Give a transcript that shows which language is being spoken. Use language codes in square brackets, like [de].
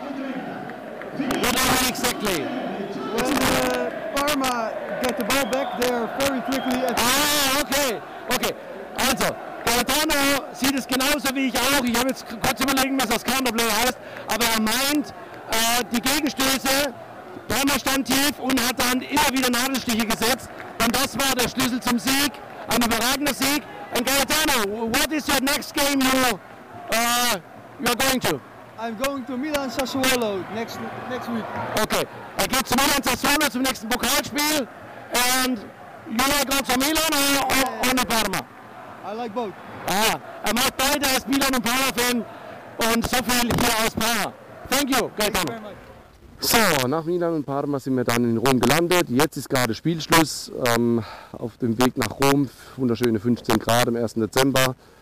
[en] What do you mean exactly? When Parma get the ball back, they are very quickly. Okay. [de] Also, Gaetano sieht es genauso wie ich auch. Ich habe jetzt kurz überlegen, was das Counterplay heißt. Aber er meint, die Gegenstöße, Parma stand tief und hat dann immer wieder Nadelstiche gesetzt. Und das war der Schlüssel zum Sieg, ein überragender Sieg. [en] And Gaetano, what is your next game you're going to? I'm going to Milan Sassuolo next week. Okay, I get to Milan Sassuolo [de] zum nächsten Pokalspiel. [en] And you like also Milan or Parma? I like both. [de] Ah, er macht beide als Milan und Parma Fan und so viel hier aus Parma. [en] Thank you, Gaetano. [de] So, nach Milan und Parma sind wir dann in Rom gelandet. Jetzt ist gerade Spielschluss. Auf dem Weg nach Rom, wunderschöne 15 Grad am 1. Dezember.